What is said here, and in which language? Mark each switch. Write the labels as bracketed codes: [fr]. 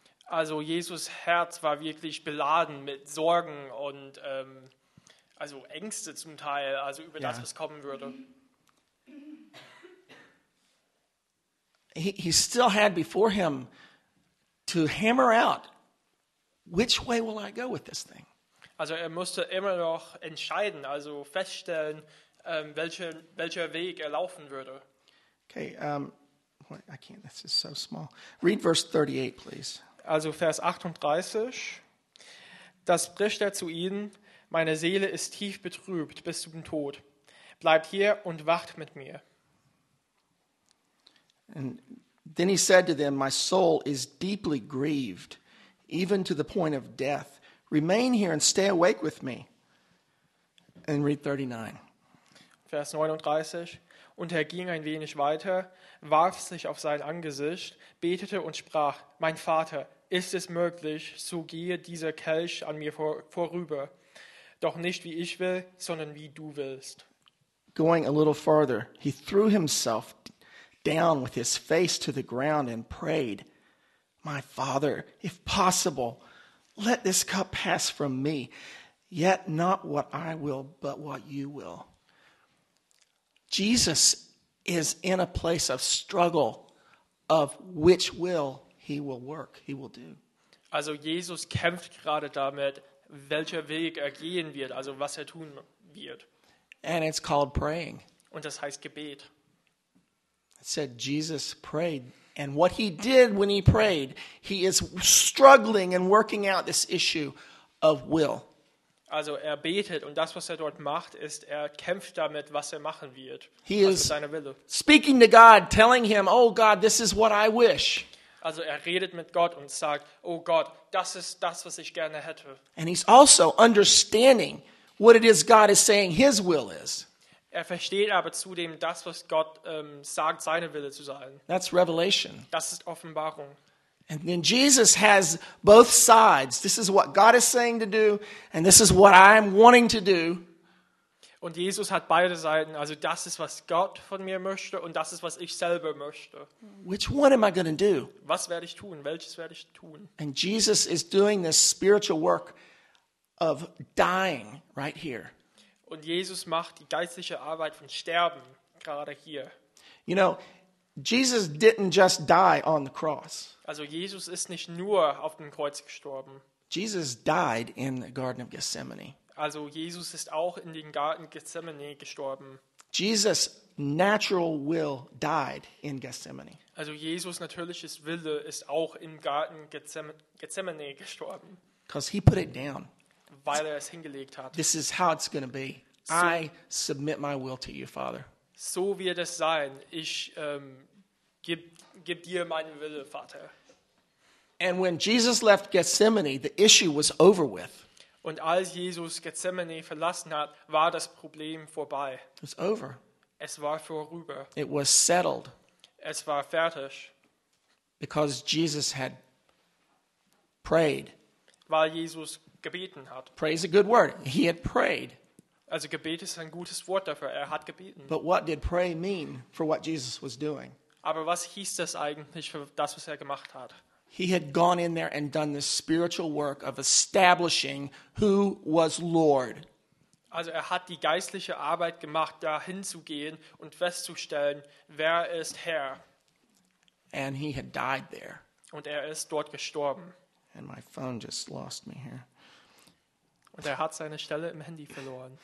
[de] Also Jesus' Herz war wirklich beladen mit Sorgen und also Ängste zum Teil, also über das, was kommen würde. [en] He still had before him to hammer out, which way will I go with this thing? [de] Also er musste immer noch entscheiden, also feststellen, welcher Weg er laufen würde. [en] Okay, I can't, this is so small. Read verse 38, please. [de] Also Vers 38, da spricht er zu ihnen, meine Seele ist tief betrübt bis zum Tod. Bleibt hier und wacht mit mir. [en] And then he said to them, my soul is deeply grieved, even to the point of death. Remain here and stay awake with me. And read 39. [de] Vers 39. Und er ging ein wenig weiter, warf sich auf sein Angesicht, betete und sprach, mein Vater, ist es möglich, so gehe dieser Kelch an mir vorüber. Doch nicht wie ich will, sondern wie du willst. [en] Going a little farther, he threw himself down with his face to the ground and prayed, my Father, if possible, let this cup pass from me, yet not what I will, but what you will. Jesus is in a place of struggle of which will he will work, he will do. [de] Also Jesus kämpft gerade damit, welcher Weg er gehen wird, also was er tun wird. [en] And it's called praying. [de] Und das heißt Gebet. [en] It said Jesus prayed. And what he did when he prayed, he is struggling and working out this issue of will. [de] Also er betet und das, was er dort macht, ist, er kämpft damit, was er machen wird. [en] He is speaking to God, telling him, oh God, this is what I wish. [de] Also er redet mit Gott und sagt, oh Gott, das ist das, was ich gerne hätte. [en] And he's also understanding what it is God is saying his will is. [de] Er versteht aber zudem das, was Gott sagt, seine Wille zu sein. [en] That's revelation. [de] Das ist Offenbarung. [en] And then Jesus has both sides. This is what God is saying to do, and this is what I'm wanting to do. [de] Und Jesus hat beide Seiten. Also das ist, was Gott von mir möchte, und das ist, was ich selber möchte. [en] Which one am I going to do? [de] Was werde ich tun? Welches werde ich tun? [en] And Jesus is doing this spiritual work of dying right here. [de] Und Jesus macht die geistliche Arbeit von Sterben gerade hier. [en] You know, Jesus didn't just die on the cross. [de] Also Jesus ist nicht nur auf dem Kreuz gestorben. [en] Jesus died in the Garden of Gethsemane. [de] Also Jesus ist auch in den Garten Gethsemane gestorben. [en] Jesus' natural will died in Gethsemane. [de] Also Jesus' natürliches Wille ist auch im Garten Gethsemane gestorben. [en] Because he put it down. [de] Weil er es hingelegt hat. [en] This is how it's going to be. So, I submit my will to you, Father. [de] So wird es sein. Ich gib dir meinen Wille, Vater. [en] And when Jesus left Gethsemane, the issue was over with. [de] Und als Jesus Gethsemane verlassen hat, war das Problem vorbei. [en] It was over. [de] Es war vorüber. [en] It was settled. [de] Es war fertig. [en] Because Jesus had prayed. [de] Weil Jesus gebeten hat. [en] Pray is a good word. He had prayed. [de] Also Gebet ist ein gutes Wort dafür. Er hat gebeten. [en] But what did pray mean for what Jesus was doing? [de] Aber was hieß das eigentlich für das, was er gemacht hat? [en] He had gone in there and done this spiritual work of establishing who was Lord. [de] Also er hat die geistliche Arbeit gemacht, da hinzugehen und festzustellen, wer ist Herr. [en] And he had died there. [de] Und er ist dort gestorben. [en] And my phone just lost me here. [de] Und er hat seine Stelle im Handy verloren.